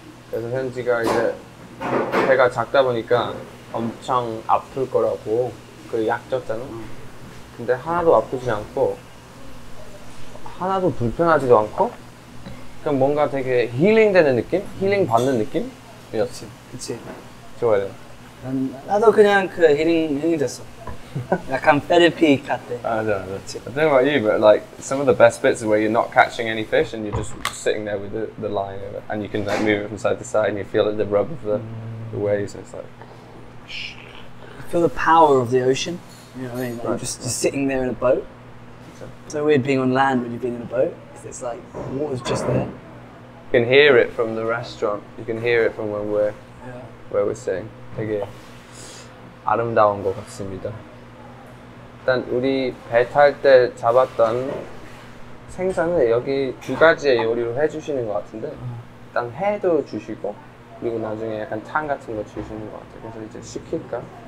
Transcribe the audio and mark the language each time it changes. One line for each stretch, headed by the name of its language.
Korean: 그래서 현지가 이제 배가 작다 보니까 엄청 아플 거라고 그 약 줬잖아. 근데 하나도 아프지 않고 하나도 불편하지도 않고 그냥 뭔가 되게 힐링 되는 느낌? 힐링 받는 느낌이었지. 그치. 좋아요. 나도 그냥 그 힐링이 됐어. 약간 페르피 같대. 맞아.
English: I don't know about you, but like some of the best bits are where you're not catching any fish and you're just sitting there with the line of it and you can like move it from side to side and you feel like the rub of the waves and it's like... Feel the power of the ocean, you know what I mean? Like, right. just sitting there in a boat. Okay. So weird being on land when you've been in a boat, because it's like, the water's just there. You can hear it from the restaurant. You can hear it from when we're, yeah. where we're sitting.
Korean: 되게 아름다운 것 같습니다. 일단 우리 배 탈 때 잡았던 생선을 여기 두 가지의 요리로 해주시는 것 같은데 일단 회도 주시고 그리고 나중에 약간 탕 같은 거 주시는 것 같아요. 그래서 이제 시킬까?